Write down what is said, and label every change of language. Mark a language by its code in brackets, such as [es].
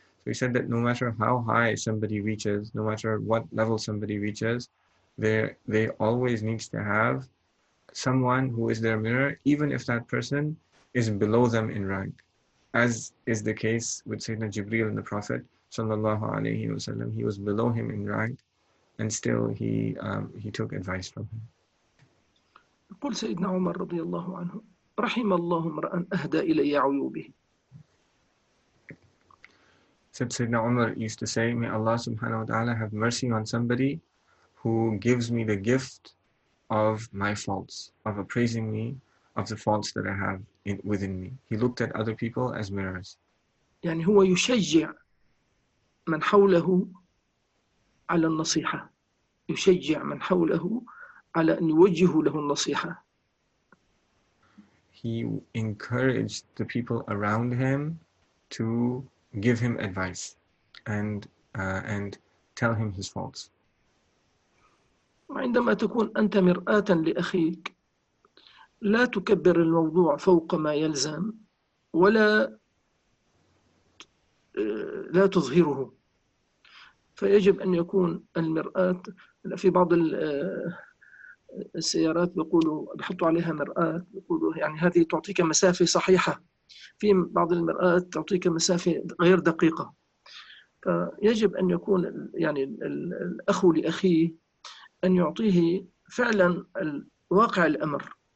[en] So he said that no matter how high somebody reaches, no matter what level somebody reaches, they always need to have someone who is their mirror, even if that person is below them in rank, as is the case with Sayyidina Jibreel and the Prophet sallallahu alaihi wasallam. He was below him in rank, and still he took advice from him. [ar] قل سيدنا عمر رضي الله عنه رحم الله امرأ أهدى إلي عيوبه. [en] Said Sayyidina Umar used to say, may Allah subhanahu wa ta'ala have mercy on somebody who gives me the gift of my faults, of appraising me of the faults that I have within me. He looked at other people as mirrors. [ar] يعني هو يشجع من حوله على النصيحة. يشجع من حوله على أن يوجهوا له النصيحة. [en] He encouraged the people around him to give him advice and tell him his faults. [ar] عندما تكون أنت مرآة لأخيك لا تكبر الموضوع فوق ما يلزم ولا لا تظهره فيجب أن يكون المرآة في بعض السيارات بيقولوا بحطوا عليها مرآة بيقولوا يعني هذه تعطيك مسافة صحيحة في بعض المرآة تعطيك مسافة غير دقيقة فيجب أن يكون يعني الأخ لأخيه أن يعطيه فعلا واقع الأمر